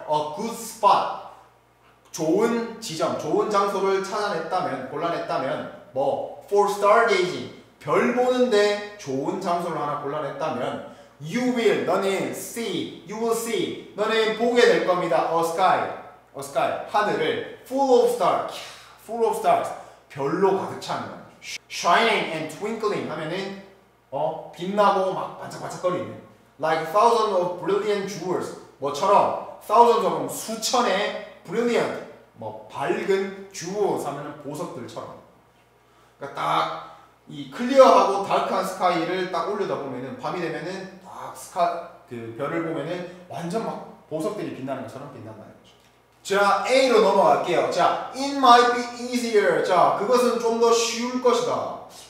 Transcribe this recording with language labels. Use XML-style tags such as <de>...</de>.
<en>a good spot,</en> <ko>좋은 지점, 좋은 장소를 찾아냈다면, 골라냈다면 뭐</ko> <en>for stargazing,</en> <ko>별 보는데 좋은 장소를 하나 골라냈다면</ko> <en>you will,</en> <ko>너는</ko> <en>see, you will see,</en> <ko>너는 보게 될 겁니다.</ko> <en>a sky,</en> <ko>하늘을</ko> <en>full of stars,</en> <ko>별로 가득 찬</ko> <en>shining and twinkling</en> <ko>하면은 빛나고 막 반짝반짝거리는</ko> <en>like thousands of brilliant jewels,</en> <ko>뭐처럼</ko> <en>thousands of</en> <ko>수천의</ko> <en>brilliant</en> <ko>뭐 밝은 주어 사면은 보석들처럼. 그러니까 딱 이 클리어하고 다크한 스카이를 딱 올려다 보면은 밤이 되면은 딱 스카 그 별을 보면은 완전 막 보석들이 빛나는 것처럼 빛난다는 거죠. 자 A로 넘어갈게요. 자</ko> <en>It might be easier.</en> <ko>자 그것은 좀 더 쉬울 것이다.</ko>